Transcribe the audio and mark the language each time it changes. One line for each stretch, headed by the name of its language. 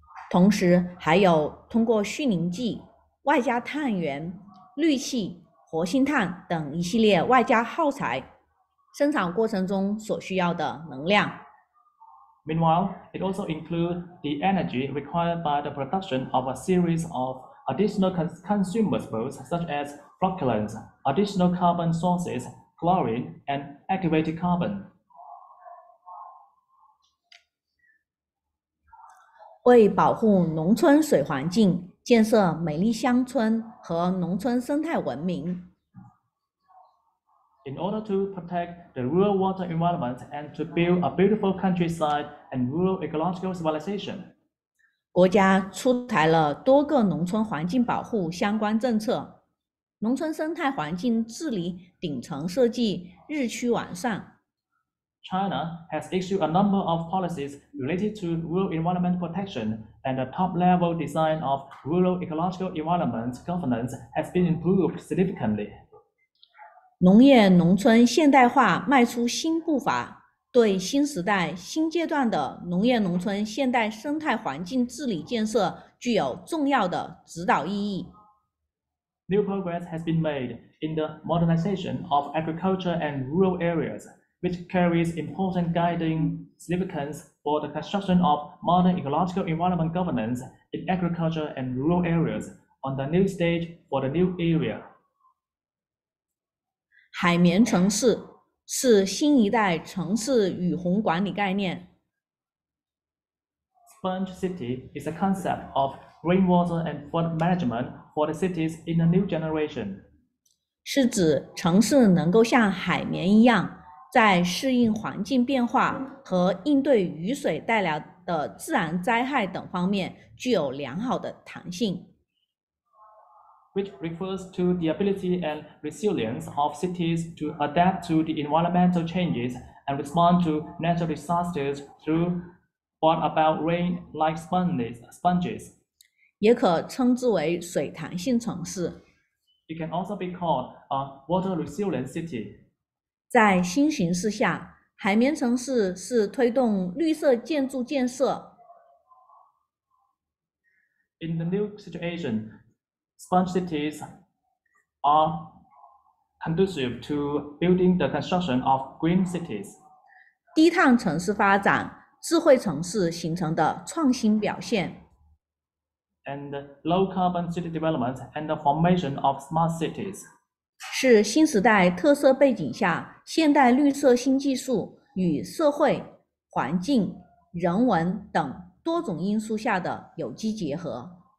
Chinese: 同时还有通过絮凝剂、外加碳源、氯气、活性炭等一系列外加耗材生产过程中所需要的能量。
English: Meanwhile, it also includes the energy required by the production of a series of additional consumables such as flocculants, additional carbon sources, chlorine, and activated carbon.
Chinese: 为保护农村水环境，建设美丽乡村和农村生态文明。
English: In order to protect the rural water environment and to build a beautiful countryside and rural ecological civilization,
Chinese: 国家出台了多个农村环境保护相关政策，农村生态环境治理顶层设计日趋完善。
English: China has issued a number of policies related to rural environment protection, and the top-level design of rural ecological environment governance has been improved significantly.
Chinese: 农业农村现代化迈出新步伐，对新时代新阶段的农业农村现代生态环境治理建设具有重要的指导意义。
English: New progress has been made in the modernization of agriculture and rural areas. Which carries important guiding significance for the construction of modern ecological environment governance in agriculture and rural areas on the new stage for the new area.
Chinese: 海绵城市是新一代城市雨洪管理概念。
English: Sponge city is a concept of rainwater and flood management for the cities in a new generation.
Chinese: 是指城市能够像海绵一样在适应环境变化和应对雨水带来的自然灾害等方面具有良好的弹性。
English: Which refers to the ability and resilience of cities to adapt to the environmental changes and respond to natural disasters through what about rain-like sponges.
Chinese: 也可称之为水弹性城市。
English: It can also be called a water resilient city.
Chinese: 在新形势下，海绵城市是推动绿色建筑建设。
English: In the new situation, sponge cities are conducive to building the construction of green cities.
Chinese: 低碳城市发展，智慧城市形成的创新表现。
English: And low carbon city development and the formation of smart cities.
Chinese: 是新时代特色背景下现代绿色新技术与社会、环境、人文等多种因素下的有机结合。